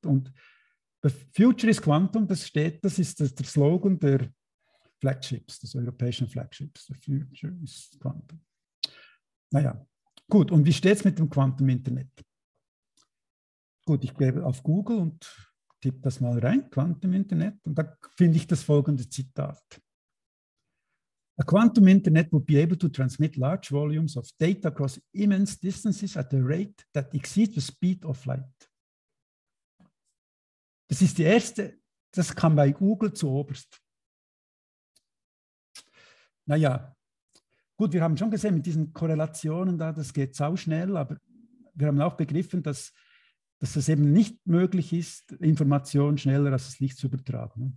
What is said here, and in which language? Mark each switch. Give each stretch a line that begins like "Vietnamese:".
German: Und
English: Future is Quantum,
German: das ist der Slogan der Flagships, des europäischen Flagships.
English: The Future is Quantum.
German: Naja, gut. Und wie steht es mit dem Quantum-Internet? Gut, ich gehe auf Google und tippe das mal rein, Quantum-Internet, und da finde ich das folgende Zitat.
English: A Quantum-Internet would be able to transmit large volumes of data across immense distances at a rate that exceeds the speed of light.
German: Das ist die erste, das kam bei Google zu oberst. Naja, gut, wir haben schon gesehen, mit diesen Korrelationen da, das geht sau schnell, aber wir haben auch begriffen, dass es eben nicht möglich ist, Informationen schneller als das Licht zu übertragen.